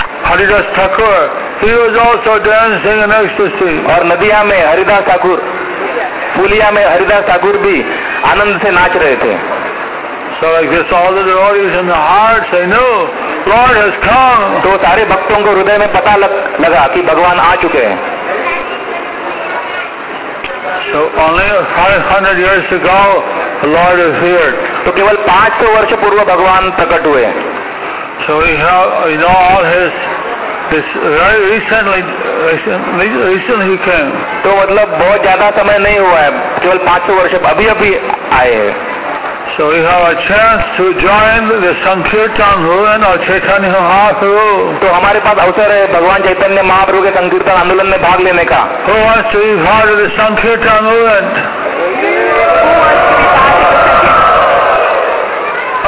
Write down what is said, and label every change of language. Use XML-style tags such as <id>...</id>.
<en>Haridas Thakur He was also dancing in ecstasy.</en> <hi>और नदिया में हरिदास ठाकुर, पुलिया में हरिदास ठाकुर भी आनंद से नाच रहे थे।</hi> <en>So like this, all the devotees in the heart say, "No, Lord has come."</en> <hi>तो सारे भक्तों को हृदय में पता लगा कि भगवान आ चुके हैं।</hi> <en>So only 500 years ago, Lord appeared.</en> <hi>तो केवल 500 वर्ष पूर्व भगवान प्रकट हुए।</hi> <en>So we know all his. This very recently came.</en> <hi>तो मतलब बहुत ज्यादा समय नहीं हुआ है, केवल 500 वर्ष अभी अभी आए हैं।</hi> <en>So we have a chance to join the Sankirtan movement of Chaitanya Mahaprabhu.</en> <hi>तो हमारे पास अवसर है भगवान चैतन्य महाप्रभु के संकीर्तन आंदोलन में भाग लेने का।</hi> <en>Who wants to be part of the Sankirtan movement? Who wants to be part of the Sankirtan?</en>